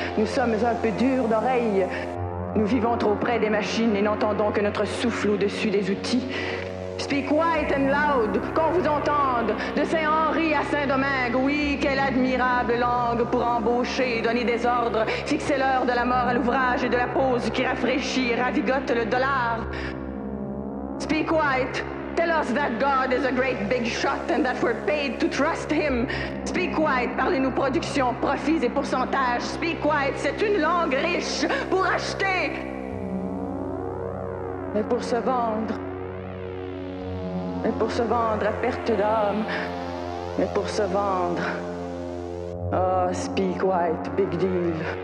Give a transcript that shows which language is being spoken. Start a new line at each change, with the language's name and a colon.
French: Nous sommes un peu durs d'oreilles. Nous vivons trop près des machines et n'entendons que notre souffle au-dessus des outils.
English: Speak white and loud,
French: qu'on vous entende, de Saint-Henri à Saint-Domingue. Oui, quelle admirable langue pour embaucher, donner des ordres, fixer l'heure de la mort à l'ouvrage et de la pause qui rafraîchit et ravigote le dollar.
English: Speak white, tell us that God is a great big shot and that we're paid to trust him. Speak white,
French: parlez-nous production, profits et pourcentages.
English: Speak white,
French: c'est une langue riche pour acheter. Mais pour se vendre. Mais pour se vendre à perte d'âme. Mais pour se vendre. Oh,
English: speak white, big deal.